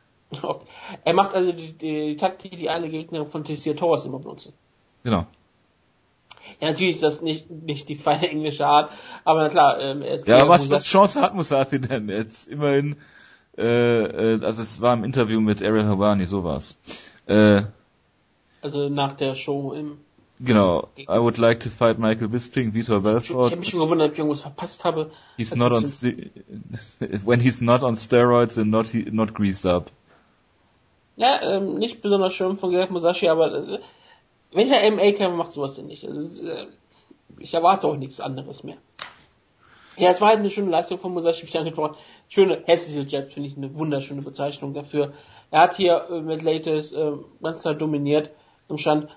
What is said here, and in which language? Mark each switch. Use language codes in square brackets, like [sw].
[de] Okay. Er macht also die Taktik, die alle Gegner von Tessier Torres immer benutzen. Genau. Ja, natürlich ist das nicht die feine englische Art, aber na klar, er ist. Ja, aber was für Chance hat Musasi denn jetzt? Immerhin, also es war im Interview mit Ariel Helwani, sowas. Also nach der Show im. Genau. [en] I would like to fight Michael Bisping, Vitor Belfort. [de] Ich habe mich schon gewundert, ob ich irgendwas verpasst habe. [en] He's not on when he's not on steroids and not greased up. [de] Ja, nicht besonders schön von Gerard Musashi, aber welcher MA-Kämpfer macht sowas denn nicht? Ich erwarte auch nichts anderes mehr. Ja, es war halt eine schöne Leistung von Musashi. Ich danke dir. Schöne hässliche Jabs, finde ich eine wunderschöne Bezeichnung dafür. Er hat hier mit Latest ganz klar dominiert. Im Stand.